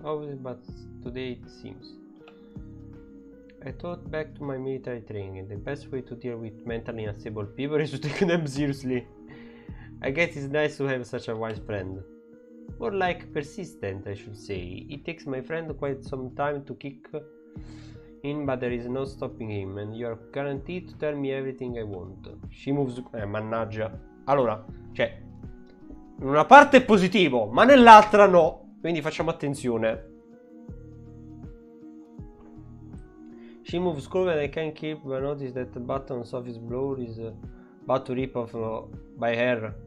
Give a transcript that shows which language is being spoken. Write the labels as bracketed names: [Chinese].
[English] Always, but today it seems. I thought back to my military training, the best way to deal with mentally unstable people is to take them seriously. I guess it's nice to have such a wise friend. More like persistent, I should say. It takes my friend quite some time to kick in, but there is no stopping him, and you are guaranteed to tell me everything I want. She moves. [Italian] Mannaggia. Allora, cioè, in una parte è positivo, ma nell'altra no. Quindi facciamo attenzione. [English] She moves cool and I can't keep but notice that the buttons of his blower is about to rip off by hair.